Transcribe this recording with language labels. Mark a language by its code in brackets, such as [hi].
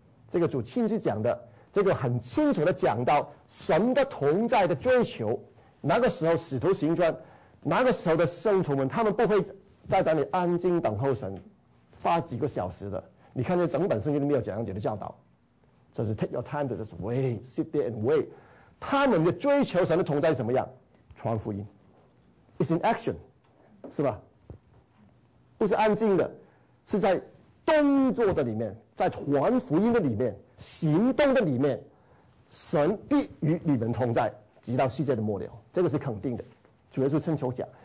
[zh] 这个主亲自讲的，这个很清楚的讲到神的同在的追求。那个时候使徒行传，那个时候的圣徒们，他们不会在那里安静等候神，花几个小时的。你看见整本圣经都没有讲解的教导。就是 [en] take your time to just wait, sit there and wait. [zh] 他们的追求神的同在是怎么样？传福音。 [en] It's in action. [zh] 是吧？不是安静的，是在动作的里面，在传福音的里面，行动的里面，神必与你们同在，直到世界的末了。这个是肯定的。主耶稣亲口讲。